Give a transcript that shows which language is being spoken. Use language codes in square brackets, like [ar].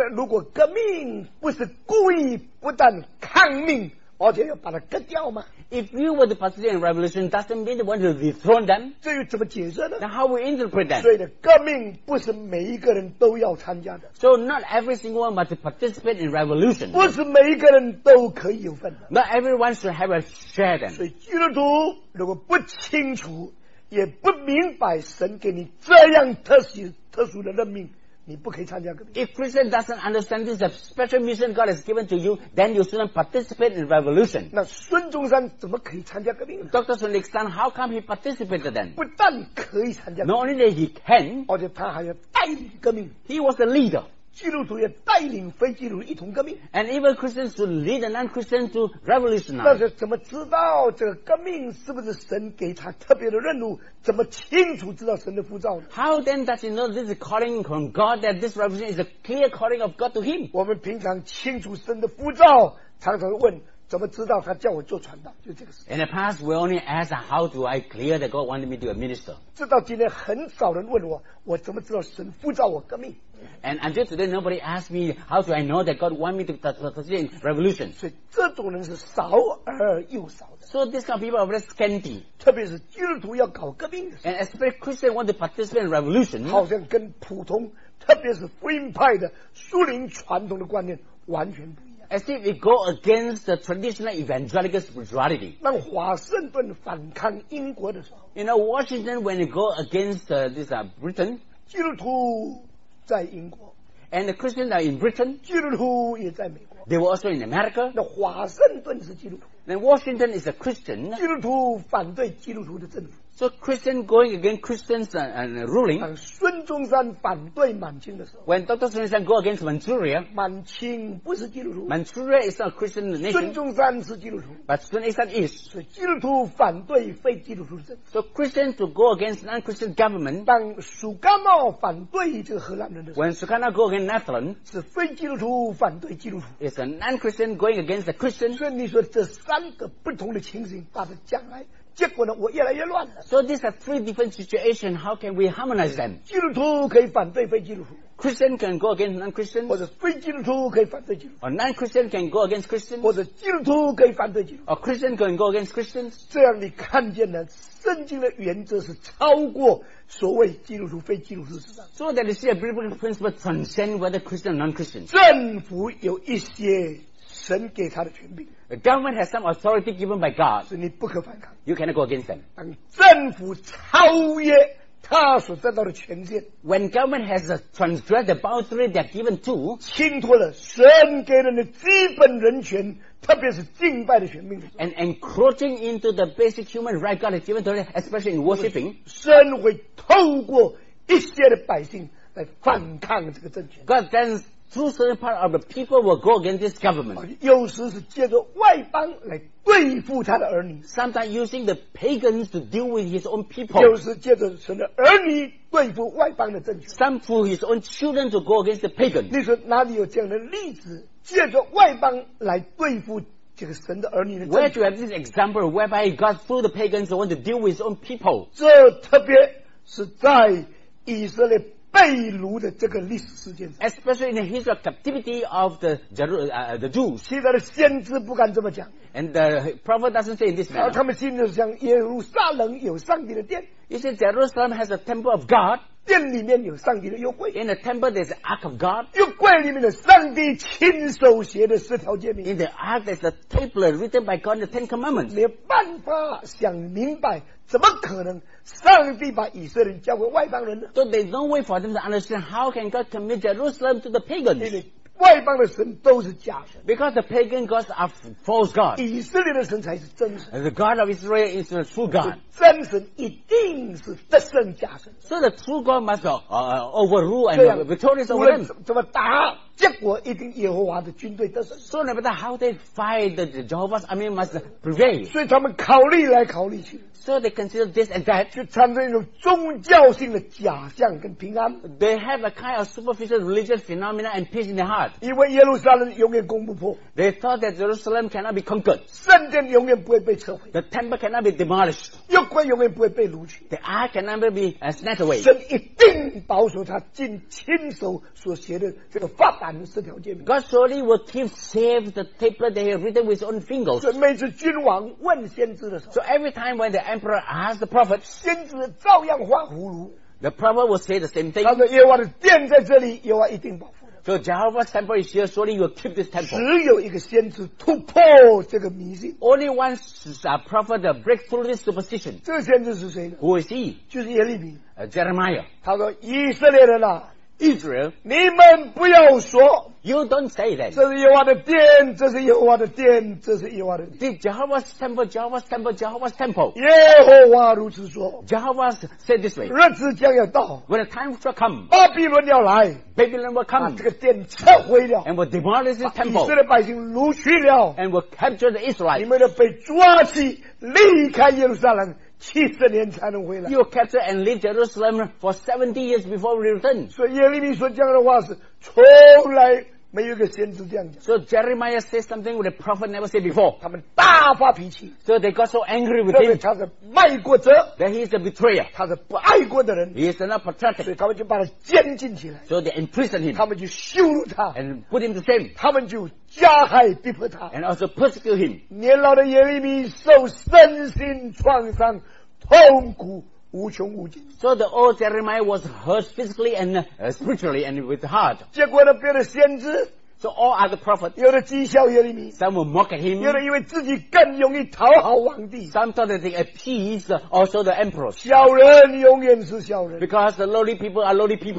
[zh] 但如果革命不是故意不但抗命，而且要把它割掉吗 [en] ？If you were to participate in revolution, doesn't mean you want to dethrone them. [zh] 这又怎么解释呢 [en] ？Now how we interpret that? [zh] 所以的革命不是每一个人都要参加的。 [en] So not every single one must participate in revolution. [zh] 不是每一个人都可以有份的。 [en] Not everyone should have a share then. [zh] 所以基督徒如果不清楚，也不明白神给你这样特殊的任命。你不可以参加革命。 [en] If Christian doesn't understand this special mission God has given to you, then you shouldn't participate in revolution. [zh] 那孙中山怎么可以参加革命 [en] ？Dr. Sun Lixan, how come he participated then? [zh] 不但可以参加革命 [en] ，Not only that he can， [zh] 而且他还要带领革命。 [en] He was the leader. [zh] 基督徒也带领非基督徒一同革命。 [en] And even Christians should lead non-Christians to revolutionize. [zh] 那是怎么知道这个革命是不是神给他特别的任务？怎么清楚知道神的呼召呢 [en] ？How then does he know this is calling from God? That this revelation is a clear calling of God to him? [zh] 我们平常清楚神的呼召，常常问怎么知道他叫我做传道，就这个事。 [en] In the past, we only ask how do I clear that God wanted me to be a minister? [zh] 直到今天，很少人问我，我怎么知道神呼召我革命 [en] ？And until today, nobody asked me how do I know that God wanted me to participate in revolution? [zh] 所以这种人是少而又少。 [en] So these kind of people are very scanty. [zh] 特别是基督徒要搞革命的时候。 [en] And especially Christians want to participate in revolution. [zh] 好像跟普通，特别是福音派的属灵传统的观念完全不一样。 [en] As if it go against the traditional evangelical spirituality. [zh] 当华盛顿反抗英国的时候。 [en] You know, Washington, when it go against Britain. [zh] 基督徒在英国。 [en] And the Christians are in Britain. [zh] 基督徒也在美国。 [en] They were also in America. [zh] 那华盛顿是基督徒。 [en] And Washington is a Christian. [zh] 基督徒反对基督徒的政府。 [en] So Christian going against Christians and ruling. [zh] 当孙中山反对满清的时候。 [en] When Dr. Sun Lixan go against Manchuria. [zh] 满清不是基督徒。 [en] Manchuria is not a Christian nation. [zh] 孙中山是基督徒。 [en] But Sun Lixan is. [zh] 所以基督徒反对非基督徒的政府。 [en] So Christian to go against non-Christian government. [zh] 当苏甘茂反对这个荷兰人的时候。 [en] When Sukarno go against Netherlands. [zh] 是非基督徒反对基督徒。 [en] It's a non-Christian going against a Christian. [zh] 所以你说这三个不同的情形，把它将来结果呢？我越来越乱了。 [en] So these are three different situations. How can we harmonize them? [zh] 基督徒可以反对非基督徒。 [en] Christian can go against non-Christian. [zh] 或者非基督徒可以反对基督徒。 [en] Or non-Christian can go against Christians. [zh] 或者基督徒可以反对基督徒。 [en] Or Christian can go against Christians. [zh] 这样你看见了圣经的原则是超过所谓基督徒非基督徒之上。 [en] So that you see a biblical principle transcend whether Christian or non-Christian. [zh] 政府有一些神给他的权柄。 [en] The government has some authority given by God. [zh] 是你不可反抗。 [en] You cannot go against them. [zh] 当政府超越他所得到的权限 [en] When government has transgressed the boundary they are given to [zh] 侵脱了神给人的基本人权特别是敬拜的权柄 [en] And encroaching into the basic human right God has given to them especially in worshipping [zh] 神会透过一些的百姓来反抗这个政权 [en] God then through certain part of the people will go against this government [zh] 有时是借着外邦来对付他的儿女 [en] Sometimes using the pagans to deal with his own people [zh] 有时借着神的儿女对付外邦的政权 [en] Some through his own children to go against the pagans [zh] 你说哪里有这样的例子借着外邦来对付这个神的儿女的政权 [en] Where do you have this example whereby God through the pagans want to deal with his own people [zh] 这特别是在以色列被掳的这个历史事件 [en] especially in the history of captivity of the Jews [zh] 现在的先知不敢这么讲 [en] and the prophet doesn't say in this manner [zh] 他们心里想耶路撒冷有上帝的殿 [en] you see Jerusalem has a temple of God [zh] 殿里面有上帝的约柜 [en] in the temple there's the ark of God [zh] 约柜里面的上帝亲手写的十条诫命 [en] in the ark there's the tablet written by God in the Ten Commandments [zh] 没有办法想明白怎么可能上帝把以色列交给外邦人呢 [en] So there's no way for them to understand how can God commit Jerusalem to the pagans [zh] 因为外邦的神都是假神 [en] Because the pagan gods are false gods [zh] 以色列的神才是真神 [en] And the God of Israel is the true God [zh] 真神一定是得胜假神 [en] So the true God must overrule and victorious over them [zh] 怎么打结果一定耶和华的军队得胜 [en] So no matter how they fight the Jehovah's army must prevail [zh] 所以他们考虑来考虑去 [en] So they consider this and that [zh] 就产生一种宗教性的假象跟平安 [en] They have a kind of superficial religious phenomena and peace in their heart [zh] 因为耶路撒冷永远攻不破 [en] They thought that Jerusalem cannot be conquered [zh] 圣殿永远不会被摧毁 [en] The temple cannot be demolished [zh] 约柜永远不会被掳去 [en] The ark cannot be snatched away [zh] 神一定保守他尽亲手所写的这个法版 [en] God surely will keep safe the tablet that he has written with his own fingers. [zh] 所以每次君王问先知的时候 [en] So every time when the emperor asks the prophet, [zh] 先知照样画葫芦 [en] The prophet will say the same thing. [zh] 他说耶和华的殿在这里，耶和华一定保护。 [en] So Jehovah's temple is here, surely you will keep this temple. [zh] 只有一个先知突破这个迷信。 [en] Only one prophet that breaks through this superstition. [zh] 这个先知是谁呢？ [en] Who is he? [zh] 就是耶利米。 [en] Jeremiah. [zh] 他说以色列人啊。 [en] Israel, [zh] 你们不要说 [en] You don't say that. [zh] 这是耶和华的殿，这是耶和华的殿，这是耶和华的殿。 [en] The Jehovah's temple, Jehovah's temple, Jehovah's temple. [zh] 耶和华如此说。 [en] Jehovah said this way. [zh] 日子将要到。 [en] When the time shall come. [zh] 巴比伦要来。 [en] Babylon will come. [zh] 把这个殿撤回了。 [en] And will demolish this temple. [zh] 把以色列百姓掳去了。 [en] And will capture the Israelites. [zh] 你们要被抓起，离开耶路撒冷。 70年才能回来。 [en] You capture and leave Jerusalem for 70 years before we return. [zh] 所以耶利米说这样的话是从来没有一个先知这样讲。 [en] So Jeremiah says something that the prophet never said before. [zh] 他们大发脾气。 [en] So they got so angry with him. [zh] 他是卖国者。 [en] That he is a betrayer. [zh] 他是不爱国的人。 [en] He is not patriotic. [zh] 所以他们就把他监禁起来。 [en] So they imprisoned him. [zh] 他们就羞辱他。 [en] And put him to shame. [zh] 他们就加害逼迫他。 [en] And also persecute him. [zh] 年老的耶利米受身心创伤，痛苦。无穷无尽。 [en] So the old Jeremiah was hurt physically and spiritually and with heart. [zh] 结果呢，别的先知。 [en] So all other prophets. [zh] 有的讥笑耶利米。 [en] Some will mock at him. [zh] 有的因为自己更容易讨好皇帝。 [en] Some thought that they appease also the emperors. [zh] 小人永远是小人。 [en] Because the lowly people are lowly people.